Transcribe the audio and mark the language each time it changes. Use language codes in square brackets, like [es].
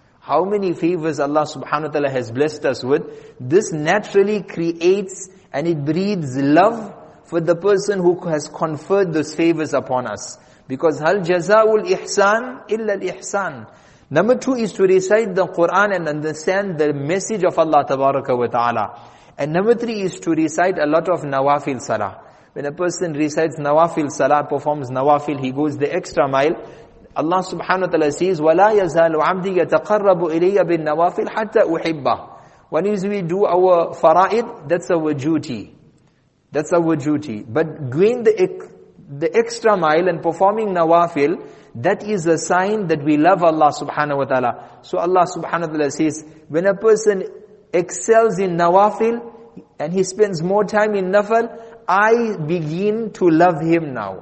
[en] How many favors Allah subhanahu wa ta'ala has blessed us with. This naturally creates and it breeds love for the person who has conferred those favors upon us. [ar] Because hal jaza'ul ihsan illa al-ihsan. [en] Number two is to recite the Quran and understand the message of Allah tabaraka wa ta'ala. And number three is to recite a lot of nawafil salah. When a person recites nawafil salah, performs nawafil, he goes the extra mile. Allah subhanahu wa ta'ala says, [ar] وَلَا يَزَالُ عَبْدِي يَتَقَرَّبُ إِلَيَّ بِالنَّوَافِلْ حَتَّى أُحِبَّهُ. [en] When we do our fara'id, that's our duty. That's our duty. But going the extra mile and performing nawafil, that is a sign that we love Allah subhanahu wa ta'ala. So Allah subhanahu wa ta'ala says, when a person excels in nawafil and he spends more time in nafal, I begin to love him now.